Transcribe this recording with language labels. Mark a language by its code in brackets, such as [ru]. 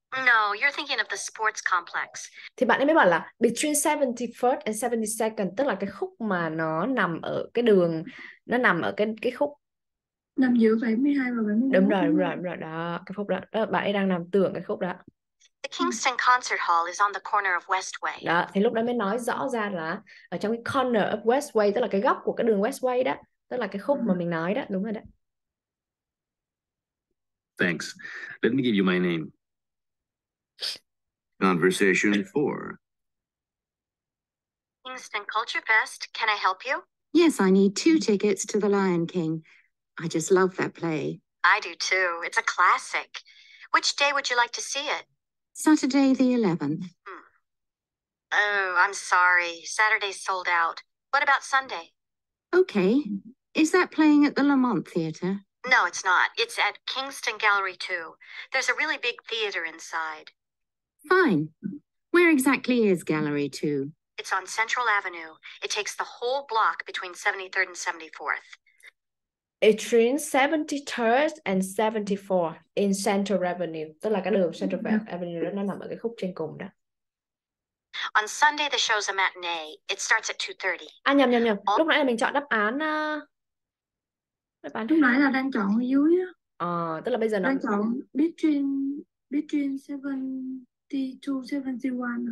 [en] No, you're thinking of the sports complex. [vi] Thì bạn ấy mới bảo là [en] between 71st and 72nd, [vi] tức là cái khúc mà nó nằm ở cái đường, nó nằm ở cái khúc nằm giữa 72 và 71. Đúng rồi, đúng rồi, đúng rồi, đó, cái khúc đó. Đó, bạn ấy đang nằm tưởng cái khúc đó. [en] The Kingston Concert Hall is on the corner of Westway. [vi] Đó, thì lúc đó mới nói rõ ra là ở trong cái [en] corner of Westway, [vi] tức là cái góc của cái đường Westway đó, tức là cái khúc mà mình nói đó, đúng rồi đó. [en] Thanks. Let me give you my name. Conversation 4. Kingston Culture Fest, can I help you? Yes, I need 2 tickets to The Lion King. I just love that play. I do too. It's a classic. Which day would you like to see it? Saturday the 11th. Hmm. Oh, I'm sorry. Saturday's sold out. What about Sunday? Okay. Is that playing at the Lamont Theatre? No, it's not. It's at Kingston Gallery 2. There's a really big theater inside. Fine. Where exactly is Gallery 2? It's on Central Avenue. It takes the whole block between 73rd and 74th. It's between 73rd and 74th in Central Avenue. [vi] Tức là cái đường Central Avenue đó, nó nằm ở cái khúc trên cùng đó. [en] On Sunday, the show's a matinee. It starts at 2:30. [vi] À nhầm nhầm nhầm. Lúc nãy là mình chọn đáp án... Lúc nãy là đang chọn ở dưới á. Ờ, tức là bây giờ nó... Đang chọn [en] between 72, 71.